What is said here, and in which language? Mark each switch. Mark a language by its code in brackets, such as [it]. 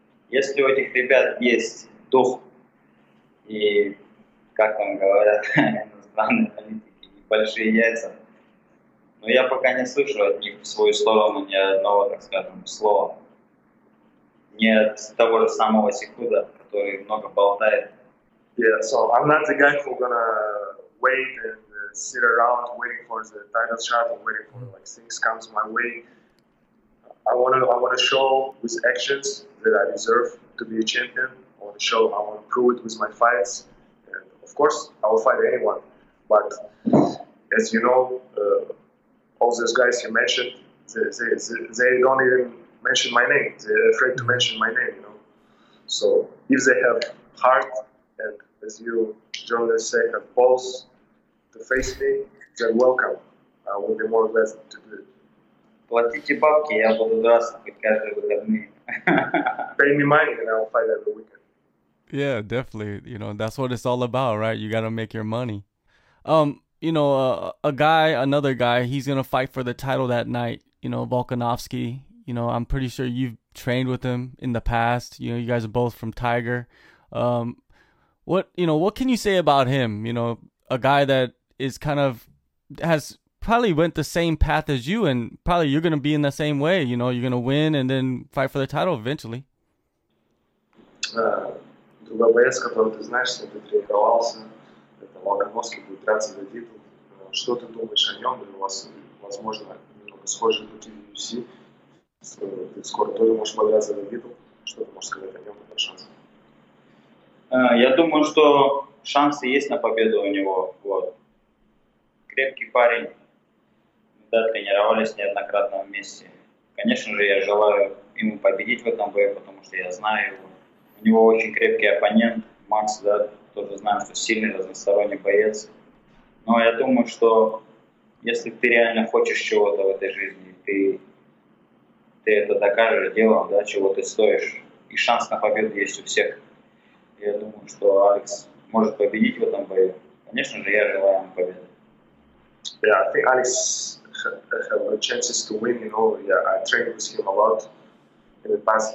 [ru] Если у этих ребят есть дух и, как вам говорят, иностранные политики, небольшие яйца, но я пока не слышу от них в свою сторону ни одного, так скажем, слова. Ни от того же самого Секуда, который много болтает. [en] Yeah, so I'm not the guy who's gonna wait and sit around waiting for the title shot and waiting for like things comes my way. I wanna show with actions that I deserve to be a champion. I wanna prove it with my fights. And of course, I will fight anyone. But as you know, all those guys you mentioned, they don't even mention my name. They're afraid to mention my name. You know. So if they have heart and as you journalists say, a pulse to face me, then welcome. I will be more glad to do it. [ru] Платите бабки, я буду драться хоть каждый выходный. [en] Pay me money and I'll fight every weekend. Yeah, definitely. You know, that's what it's all about, right? You gotta make your money. You know, another guy, he's gonna fight for the title that night, you know, Volkanovski. I'm pretty sure you've trained with him in the past. You guys are both from Tiger. What can you say about him? A guy that is kind of has probably went the same path as you, and probably you're gonna be in the same way. You're gonna win and then fight for the title eventually. [ru] Ты был боец, который ты знаешь, что ты тренировался, это Волконовский будет драться за титул. Что ты думаешь о нем? У вас, возможно, немного схожие пути в UFC. Ты скоро тоже можешь подраться за титул. Что ты можешь сказать о нем? Это шанс. Я думаю, что шансы есть на победу у него. Вот. Крепкий парень. Да, тренировались неоднократно вместе. Конечно же, я желаю ему победить в этом бою, потому что я знаю его. У него очень крепкий оппонент, Макс, да, тоже знаю, что сильный разносторонний боец. Но я думаю, что если ты реально хочешь чего-то в этой жизни, ты это докажешь делом, да, чего ты стоишь. И шанс на победу есть у всех. Я думаю, что Алекс может победить в этом бою. Конечно же, я желаю ему победы. [en] Yeah, I think Alex have the chances to win. I trained with him a lot in the past.